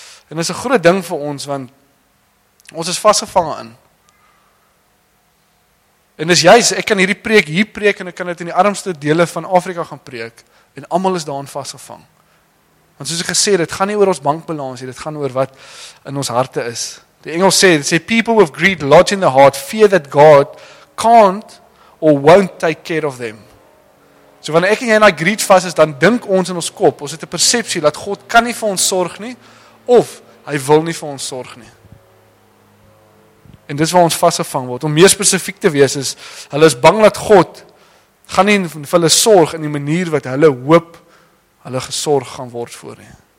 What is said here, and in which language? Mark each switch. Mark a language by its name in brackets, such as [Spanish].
[Afrikaans] En dis 'n groot ding vir ons, want ons is vasgevange in. En dis juist, ek kan hierdie preek hier preek en ek kan dit in die armste dele van Afrika gaan preek en almal is daarin vasgevang. Want soos ek gesê, dit gaan nie oor ons bankbalans, dit gaan oor wat in ons harte is. Die Engels sê, dit sê, [English] people with greed lodge in the heart, fear that God can't or won't take care of them. [Afrikaans] So wanneer ek en jy na greed vas is, dan dink ons in ons kop, ons het die perceptie, dat God kan nie vir ons sorg nie, of hy wil nie vir ons sorg nie. En dis waar ons vasgevang word. Om meer spesifiek te wees is, hulle is bang dat God gaan nie vir hulle sorg in die manier wat hulle hoop hulle gesorg gaan word voor nie.